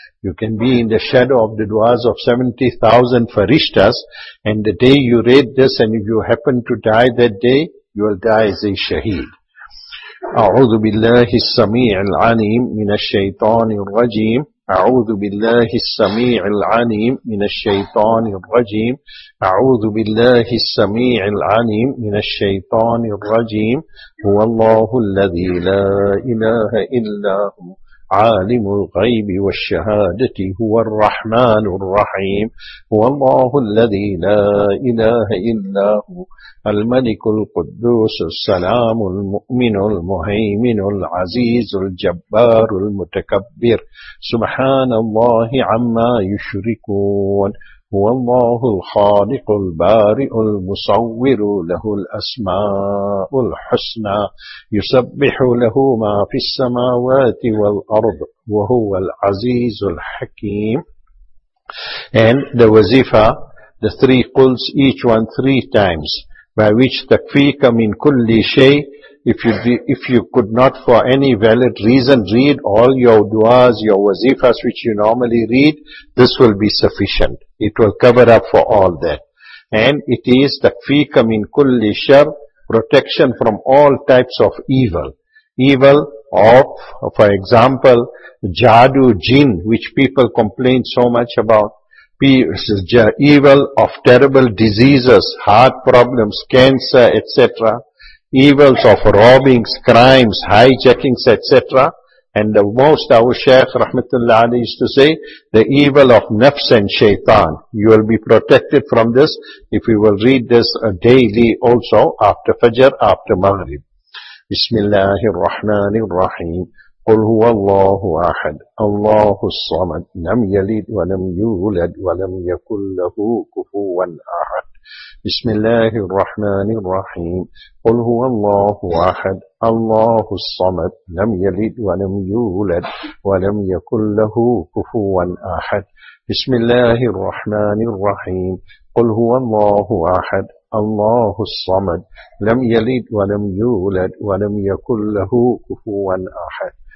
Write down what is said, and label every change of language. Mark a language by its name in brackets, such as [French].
[English] You can be in the shadow of the duas of 70,000 farishtas, and the day you read this, and if you happen to die that day, you will die as a shaheed. [Arabic] أعوذ بالله السميع العليم من الشيطان الرجيم أعوذ بالله السميع العليم من الشيطان الرجيم أعوذ بالله السميع العليم من الشيطان الرجيم هو الله الذي لا إله إلا هو عالم الغيب والشهادة هو الرحمن الرحيم هو الله الذي لا إله إلا هو الملك القدوس السلام المؤمن المهيمن العزيز الجبار المتكبر سبحان الله عما يشركون هو الله الخالق البارئ المصور له الأسماء الحسنى يسبح له ما في السماوات والأرض وهو العزيز الحكيم. [English] And the wazifa, the three quls, each one 3 times, by which [Arabic] takfika min kulli shay, [English] if you could not for any valid reason read all your duas, your wazifas which you normally read, this will be sufficient. It will cover up for all that. And it is [Arabic] takfika min kulli shar, [English] protection from all types of evil. Evil of, for example, jadu, jinn, which people complain so much about. Evil of terrible diseases, heart problems, cancer, etc. Evils of robbings, crimes, hijackings, etc. And the most our Shaykh Rahmatullah Ali used to say, the evil of nafs and shaitan. You will be protected from this if you will read this daily also after Fajr, after Maghrib. [Arabic] Bismillahir Rahmanir Rahim. قل هو الله أحد الله الصمد لم يلد ولم يولد ولم يكن له كفوا أحد بسم الله الرحمن الرحيم قل هو الله أحد الله الصمد لم يلد ولم يولد ولم يكن له كفوا أحد بسم الله الرحمن الرحيم قل هو الله أحد الله الصمد لم يلد ولم يولد ولم يكن له كفوا أحد